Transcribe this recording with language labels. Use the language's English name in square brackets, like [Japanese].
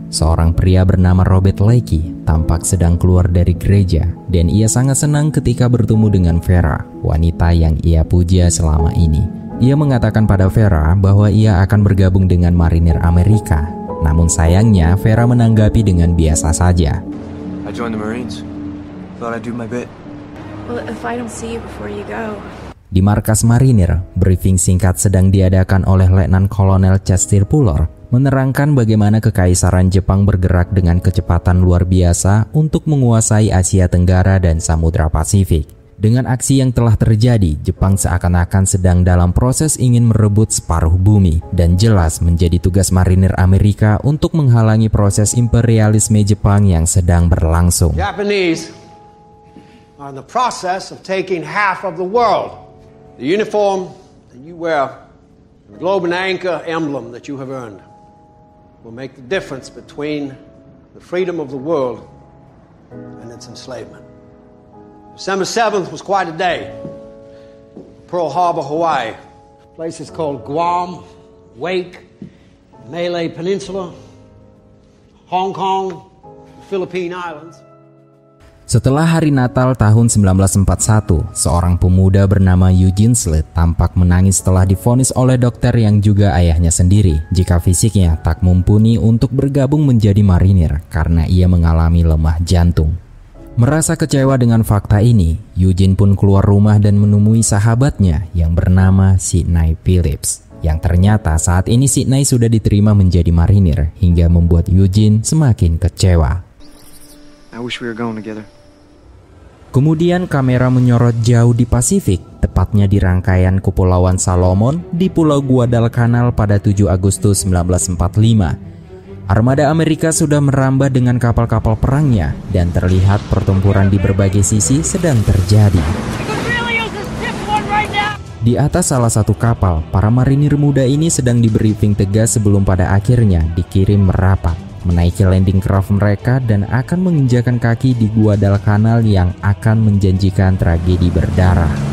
[Indonesian] Seorang pria bernama Robert Leakey tampak sedang keluar dari gereja, dan ia sangat senang ketika bertemu dengan Vera, wanita yang ia puja selama ini. Ia mengatakan pada Vera bahwa ia akan bergabung dengan marinir Amerika. Namun sayangnya, Vera menanggapi dengan biasa saja. [English] I joined the Marines. Thought I'd do my bit. Well, if I don't see you before you go. [Indonesian] Di markas marinir, briefing singkat sedang diadakan oleh Letnan Kolonel Chester Puller, menerangkan bagaimana Kekaisaran Jepang bergerak dengan kecepatan luar biasa untuk menguasai Asia Tenggara dan Samudra Pasifik. Dengan aksi yang telah terjadi, Jepang seakan-akan sedang dalam proses ingin merebut separuh bumi, dan jelas menjadi tugas marinir Amerika untuk menghalangi proses imperialisme Jepang yang sedang berlangsung. [English] Japanese are in the process of taking half of the world. The uniform that you wear, the globe and anchor emblem that you have earned, will make the difference between the freedom of the world and its enslavement. December 7th was quite a day. Pearl Harbor, Hawaii. Places called Guam, Wake, Malay Peninsula, Hong Kong, the Philippine Islands. [Indonesian] Setelah hari Natal tahun 1941, seorang pemuda bernama Eugene Slade tampak menangis setelah divonis oleh dokter yang juga ayahnya sendiri jika fisiknya tak mumpuni untuk bergabung menjadi marinir karena ia mengalami lemah jantung. Merasa kecewa dengan fakta ini, Eugene pun keluar rumah dan menemui sahabatnya yang bernama Sidney Phillips, yang ternyata saat ini Sidney sudah diterima menjadi marinir hingga membuat Eugene semakin kecewa. [English] I wish we were going together. [Indonesian] Kemudian kamera menyorot jauh di Pasifik, tepatnya di rangkaian Kepulauan Salomon di Pulau Guadalcanal pada 7 Agustus 1945. Armada Amerika sudah merambah dengan kapal-kapal perangnya dan terlihat pertempuran di berbagai sisi sedang terjadi. [English] It really is a stiff one right now. [Indonesian] Di atas salah satu kapal, para marinir muda ini sedang dibriefing tegas sebelum pada akhirnya dikirim merapat, menaiki landing craft mereka dan akan menginjakan kaki di Guadalcanal yang akan menjanjikan tragedi berdarah.